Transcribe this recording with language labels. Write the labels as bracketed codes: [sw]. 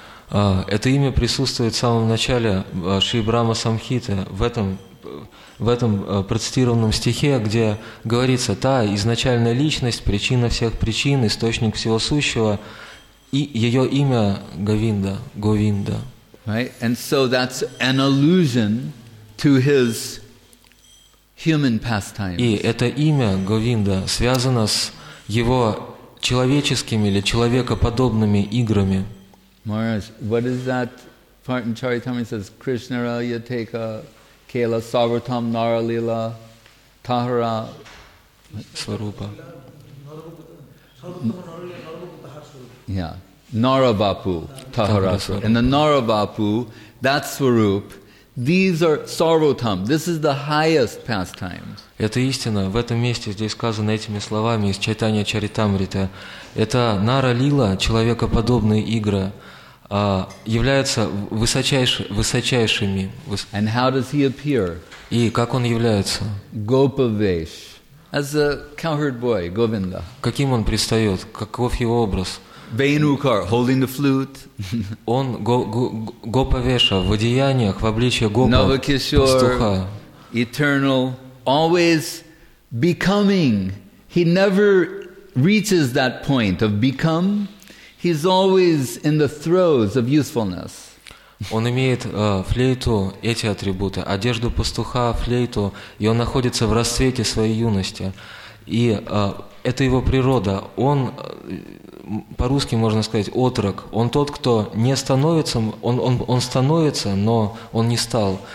[ru] Это имя присутствует в самом начале Шри Брама Самхиты, в этом процитированном стихе, где говорится, та изначальная личность, причина всех причин, источник всего сущего, и ее имя Говинда, Говинда. [en] Right? And so that's an allusion to his human pastimes. [ru] И это имя Говинда связано с его человеческими или человекоподобными играми. [en] Maharaj, what is that part in Charitamrita? It says, [bn] Krishnara Yateka Kela Savartam Nara Lila Tahara Svarupa. [en] Yeah, [bn] Naravapu Tahara Svarupa. [en] And the Naravapu, that Svarup, these are Sarvatam. This is the highest pastimes. [ru] Это истина. В этом месте здесь сказано этими словами из Чайтанья Чаритамрита. Это Нара Лила, человекоподобные игры. Являются высочайшими. [en] And how does he appear? [ru] И как он является? [en] Gopavesh, as a cowherd boy, Govinda. [ru] Каким он предстает? Каков его образ? [en] Venukar, holding the flute. [ru] Он Gopavesha в одеяниях, в обличье гопа, [en] Navakishore, [ru] пастуха. [en] Eternal, always becoming. He never reaches that point of become. He's always in the throes of usefulness. [ru] Он имеет флейту, эти атрибуты, одежду пастуха, флейту, и он находится в расцвете своей юности. И это его природа. Он, по-русски можно сказать, отрок. Он тот, кто не становится, он становится, но он не стал.